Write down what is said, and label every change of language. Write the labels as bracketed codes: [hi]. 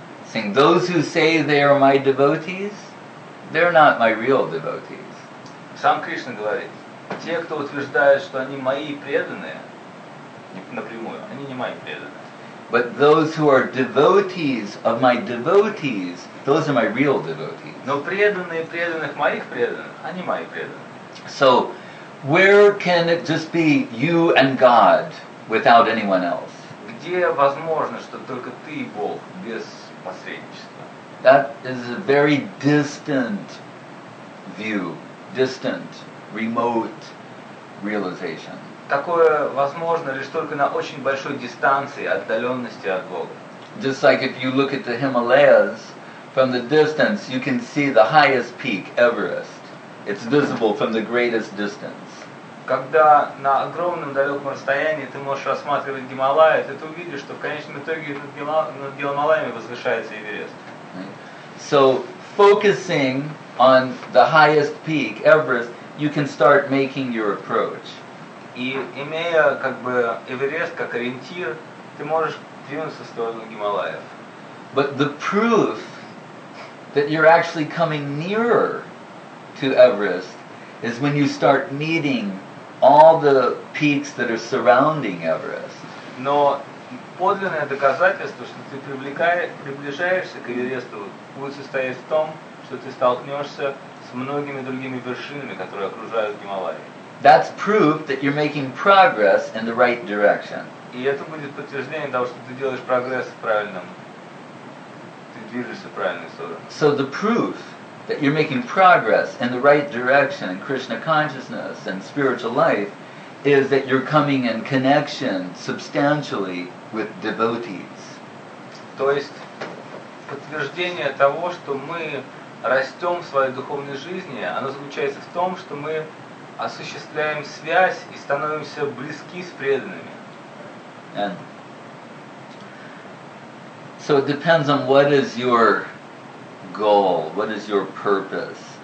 [en] Saying those who say they are my devotees, they're not my real devotees. [ru] Сам Кришна говорит, те, кто утверждает, что они мои преданные, напрямую, они не мои преданные. [en] But those who are devotees of my devotees, those are my real devotees. [ru] Но преданные преданных моих преданных, они мои преданные. [en] So, where can it just be you and God without anyone else? [ru] Где возможно, что только ты и Бог без посредничества? [en] That is a very distant view, distant, remote realization. [ru] Такое возможно лишь только на очень большой дистанции, отдаленности от Бога. [en] Just like if you look at the Himalayas, from the distance you can see the highest peak, Everest. It's visible from the greatest distance. [ru] Когда на огромном далеком расстоянии ты можешь рассматривать Гималаи, ты увидишь, что в конечном итоге над Гималаями возвышается Эверест. [en] So, focusing on the highest peak, Everest, you can start making your approach. [ru] И имея как бы Эверест как ориентир, ты можешь двинуться в сторону Гималаев. [en] But the proof that you're actually coming nearer to Everest is when you start meeting all the peaks that are surrounding Everest. [ru] Но подлинное доказательство, что ты приближаешься к Эвересту, будет состоять в том, что ты столкнешься с многими другими вершинами, которые окружают Гималаи. [en] That's proof that you're making progress in the right direction. [ru] И это будет подтверждение того, что ты делаешь прогресс в правильном, ты движешься в правильную сторону. [en] So the proof that you're making progress in the right direction in Krishna consciousness and spiritual life is that you're coming in connection substantially with devotees. [ru] То есть подтверждение того, что мы растем в своей духовной жизни, оно заключается в том, что мы осуществляем связь и становимся близки с преданными. [en] And so it depends on what is your goal, what is your purpose.